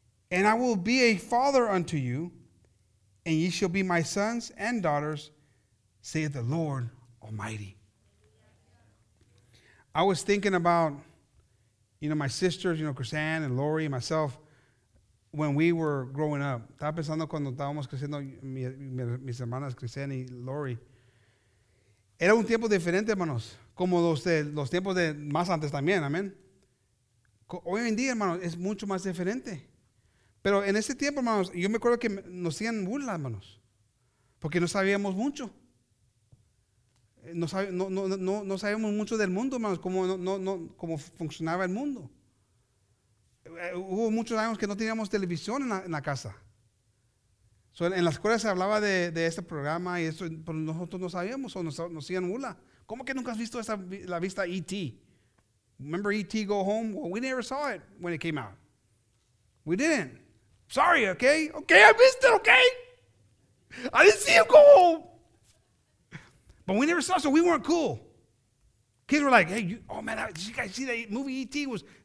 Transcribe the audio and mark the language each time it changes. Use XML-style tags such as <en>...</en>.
<en>And I will be a father unto you, and ye shall be my sons and daughters, saith the Lord Almighty. I was thinking about, you know, my sisters, you know, Chrisanne and Lori and myself, when we were growing up.</en> <es>Estaba pensando cuando estábamos creciendo, mis hermanas Chrisanne y Lori. Era un tiempo diferente, hermanos, como los tiempos de más antes también, amén. Hoy en día, hermanos, es mucho más diferente. Pero en ese tiempo, hermanos, yo me acuerdo que nos hacían burla, hermanos, porque no sabíamos mucho. No sabíamos mucho del mundo, hermanos, cómo funcionaba el mundo. Hubo muchos años que no teníamos televisión en la casa. So, en la escuela se hablaba de este programa y eso, pero nosotros no sabíamos, o nos hacían burla. ¿Cómo que nunca has visto la vista E.T.?</es> <en>Remember E.T. Go Home? Well, we never saw it when it came out. We didn't. Sorry, okay? Okay, I missed it, okay? I didn't see him go home. But we never saw it, so we weren't cool. Kids were like, hey, did you guys see that movie E.T. was?</en>